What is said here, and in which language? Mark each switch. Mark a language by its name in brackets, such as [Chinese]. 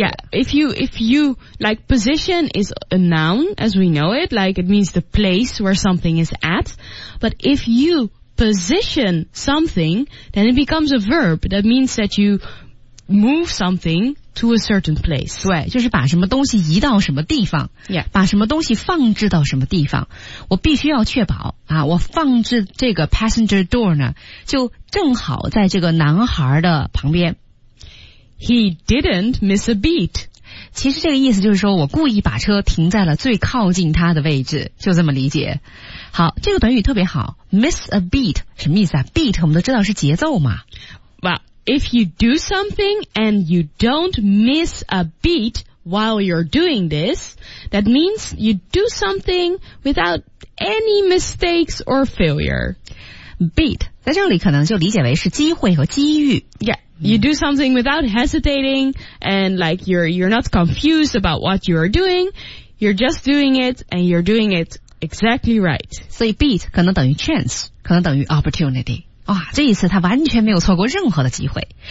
[English] Yeah, if you, like position is a noun as we know it, like it means the place where something is at. But if you position something, then it becomes a verb. That means that you move something to a certain place. [Chinese] 对，就是把什么东西移到什么地方。 [English] Yeah. [Chinese] 把什么东西放置到什么地方。我必须要确保啊，我放置这个 passenger door 呢就正好在这个男孩的旁边。 [English] He didn't miss a beat. [Chinese] 其实这个意思就是说我故意把车停在了最靠近他的位置，就这么理解。好，这个短语特别好， [English] miss a beat, [Chinese] 什么意思啊？beat 我们都知道是节奏嘛。 [English] Well, if you do something and you don't miss a beat while you're doing this, that means you do something without any mistakes or failure. [Chinese] Beat 在这里可能就理解为是机会和机遇。 [English] Yeah, you do something without hesitating and like you're not confused about what you are doing. You're just doing it and you're doing it exactly right. [Chinese] 所以 beat 可能等于 chance, 可能等于 opportunity. 哇，这一次他完全没有错过任何的机会。